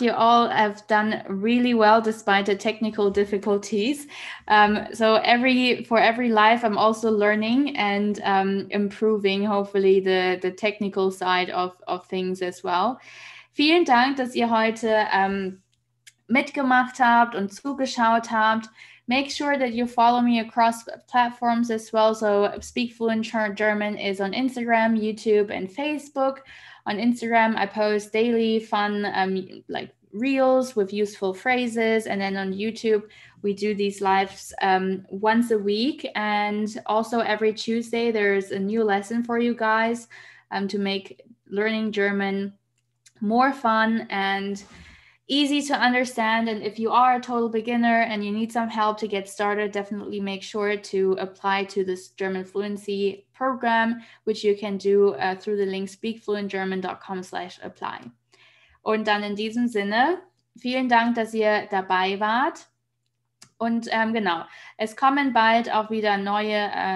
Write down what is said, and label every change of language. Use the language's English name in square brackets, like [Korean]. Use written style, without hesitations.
[English] You all have done really well despite the technical difficulties. So for every life, I'm also learning and improving, hopefully, the technical side of things as well. [German] Vielen Dank, dass ihr heute mitgemacht habt und zugeschaut habt. [English] Make sure that you follow me across platforms as well. So Speak Fluent German is on Instagram, YouTube and Facebook. On Instagram, I post daily fun like reels with useful phrases. And then on YouTube, we do these lives once a week. And also every Tuesday, there's a new lesson for you guys to make learning German more fun and easy to understand. And if you are a total beginner and you need some help to get started, definitely make sure to apply to this German Fluency program, which you can do through the link speakfluentgerman.com/apply. [German] Und dann in diesem Sinne, vielen Dank, dass ihr dabei wart. Und genau, es kommen bald auch wieder neue